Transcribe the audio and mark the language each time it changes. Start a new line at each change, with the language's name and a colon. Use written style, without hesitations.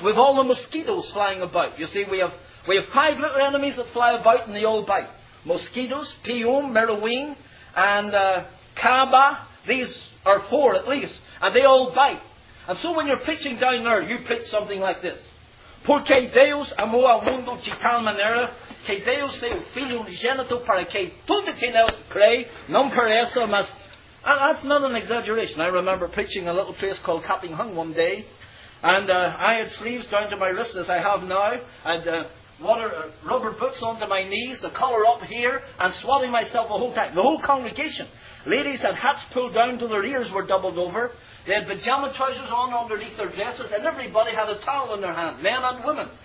English: We have all the mosquitoes flying about. You see, we have five little enemies that fly about in the old bite. Mosquitoes, Pium, Merowing, and Kaaba. These are four at least, and they all bite. And so when you're pitching down there, you pitch something like this.
Portuguese: Porque Deus amou ao mundo de tal maneira que deu seu filho unigênito para que todo que nele crê não pereça, mas...
English: That's not an exaggeration. I remember preaching a little place called Kapping Hung one day, and I had sleeves down to my wrists as I have now, and rubber boots onto my knees, a collar up here, and swatting myself a whole time. The whole congregation. Ladies had hats pulled down till their ears were doubled over. They had pajama trousers on underneath their dresses, and everybody had a towel in their hand, men and women.